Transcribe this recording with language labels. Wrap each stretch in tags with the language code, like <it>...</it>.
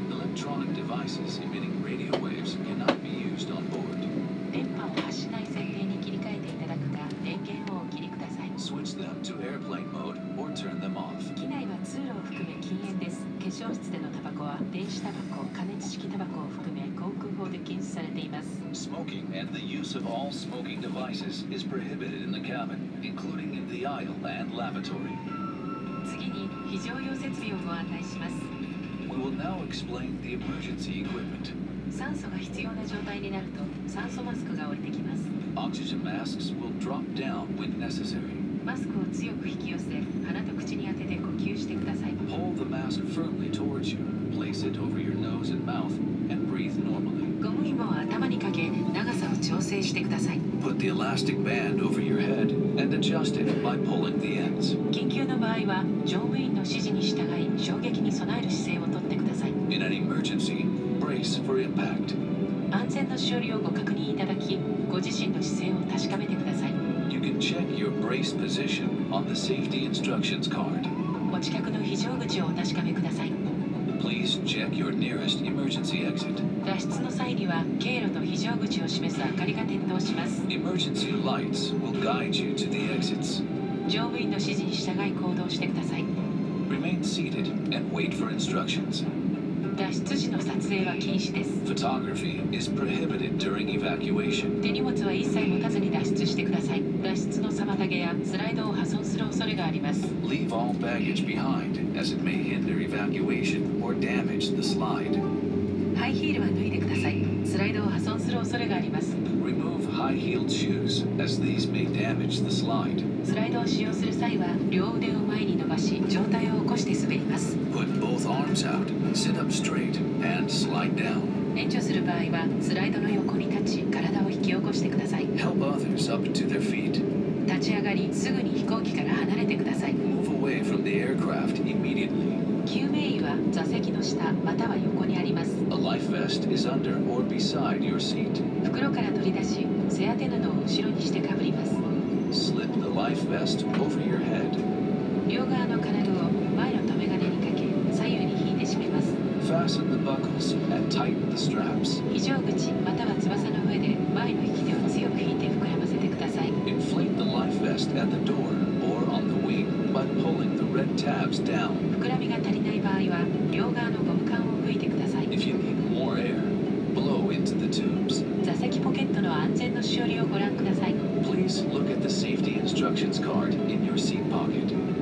<en>Electronic devices emitting radio waves cannot be used on board.</en> <ja>電波を発しない設定に切り替えていただくか、電源をお切りください。</ja> <en>Switch them to airplane mode or turn them off.</en> <ja>機内は通路を含め禁煙です。化粧室でのタバコは電子タバコ、加熱式タバコを含め航空法で禁止されています。</ja> <en>Smoking and the use of all smoking devices is prohibited in the cabin, including in the aisle and lavatory.</en> <ja>次に非常用設備をご案内します。</ja> <en>We will now explain the emergency equipment.</en> <ja>酸素が必要な状態になると酸素マスクが降りてきます。</ja> <en>Oxygen masks will drop down when necessary.</en> <ja>マスクを強く引き寄せ、鼻と口に当てて呼吸してください。</ja> <en>Hold the mask firmly towards you. Place it over your nose and mouth and breathe normally.</en> <ja>ゴム紐を頭にかけ、長さを調整してください。</ja> <en>Put the elastic band over your head and adjust it by pulling the ends.</en> <ja>緊急の場合は、乗務員の指示に従い、衝撃に備える姿勢をとってください。</ja> <en>In an emergency, brace for impact.</en> <ja>安全の処理をご確認いただき、ご自身の姿勢を確かめてください。</ja> <en>You can check your brace position on the safety instructions card.</en> <ja>お近くの非常口をお確かめください。</ja> <en>Please check your nearest emergency exit.</en> <ja>脱出の際には経路と非常口を示す明かりが点灯します。</ja> <en>Emergency lights will guide you to the exits.</en> <ja>乗務員の指示に従い行動してください。</ja> <en>Remain seated and wait for instructions.</en> <ja>脱出時の撮影は禁止です。</ja> <en>Photography is prohibited during evacuation.</en> <ja>手荷物は一切持たずに脱出してください。脱出の妨げやスライドを破損する恐れがあります。</ja> <en>Leave all baggage behind as it may hinder evacuation or damage the slide.</en> <ja>ハイヒールは脱いでください。スライドを破損する恐れがあります。</ja> <en>Remove high-heeled shoes as these may damage the slide.</en> <ja>スライドを使用する際は両腕を前に伸ばし上体を起こして滑ります。</ja> <en>Put both arms out, sit up straight, and slide down.</en> <ja>援助する場合はスライドの横に立ち体を引き起こしてください。</ja> <en>Help others up to their feet.</en> <ja>立ち上がりすぐに飛行機から離れてください。</ja> <en>Move away from the aircraft immediately.</en> <ja>救命衣は座席の下または横にあります。</ja> <en>A life vest is under or beside your seat.</en> <ja>袋から取り出し背当て布を後ろにしてかぶります。</ja> <en>Slip the life vest over your head.</en> <ja>両側の金具を前の留め金にかけ左右に引いて締めます。</ja> <en>Fasten the buckles and tighten the straps.</en> <ja>非常口または翼の上で前の引き手を強く引いて膨らませてください。</ja> <en>Inflate the life vest at the door or on the wing by pulling the red tabs down.</en> <ja>膨らみが足りない場合は両側のゴム管を吹いてください。</ja> <en>If you need more air, blow into the tubes.</en> <ja>座席ポケットの安全のしおりをご覧ください。</ja> <en>Please look at the safety instructions card in your seat pocket.</en>